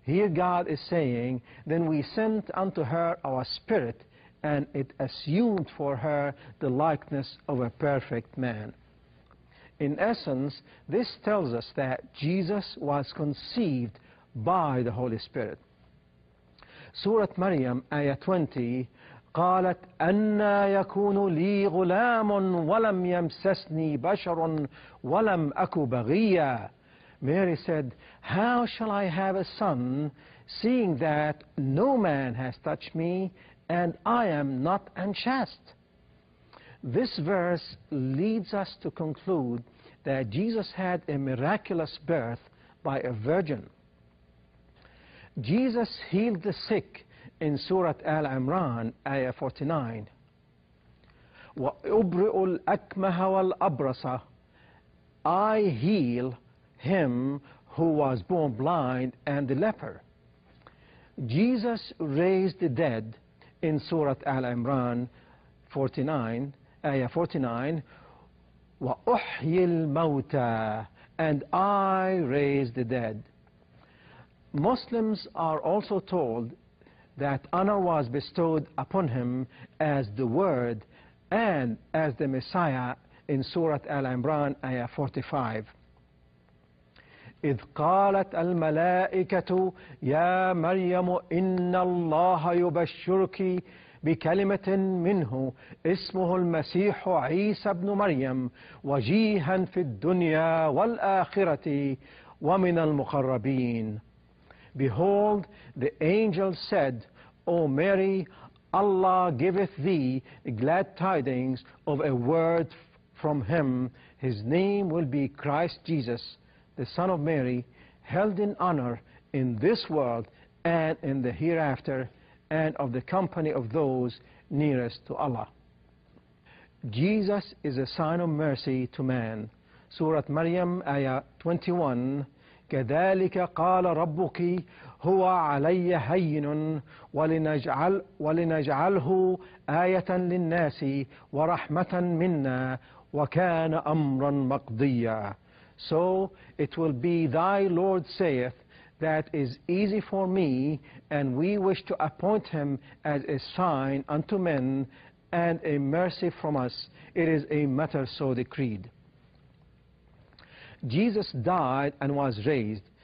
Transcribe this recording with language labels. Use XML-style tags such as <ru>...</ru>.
<en>Here God is saying, then we sent unto her our spirit, and it assumed for her the likeness of a perfect man. In essence, this tells us that Jesus was conceived by the Holy Spirit.</en> <ar>Surah Maryam, Ayah 20, قَالَتْ أَنَّا يَكُونُ لِي غُلَامٌ وَلَمْ يَمْسَسْنِي بَشَرٌ وَلَمْ أَكُ بَغِيًّا.</ar> <en>Mary said, how shall I have a son, seeing that no man has touched me, and I am not unchaste? This verse leads us to conclude that Jesus had a miraculous birth by a virgin. Jesus healed the sick in Surah Al-Imran, Ayah 49.</en> <ar>وَأُبْرِئُ الْأَكْمَهَ وَالْأَبْرَصَ.</ar> <en>I heal him who was born blind and the leper. Jesus raised the dead in Surah Al-Imran, 49. Ayah 49,</en> <ar>وَأُحْيِي الْمَوْتَى,</ar> <en>and I raise the dead. Muslims are also told that honor was bestowed upon him as the Word and as the Messiah in Surah Al-Imran, Ayah 45.</en> <ar>إِذْ قَالَتْ الْمَلَائِكَةُ يَا مَرْيَمُ إِنَّ اللَّهَ يُبَشِّرُكِ بكلمة منه اسمه المسيح عيسى بن مريم وجيها في الدنيا والآخرة ومن المقربين.</ar> <en>Behold, the angel said, O Mary, Allah giveth thee glad tidings of a word from him. His name will be Christ Jesus, the Son of Mary, held in honor in this world and in the hereafter, and of the company of those nearest to Allah. Jesus is a sign of mercy to man. Surah Maryam, Ayah 21.</en> <ar>كذلك قال ربك هو علي هين ولنجعله آية للناس ورحمة منا وكان أمرا مقضيا.</ar> <en>So it will be thy Lord saith, that is easy for me, and we wish to appoint him as a sign unto men and a mercy from us. It is a matter so decreed. Jesus died and was raised.</en>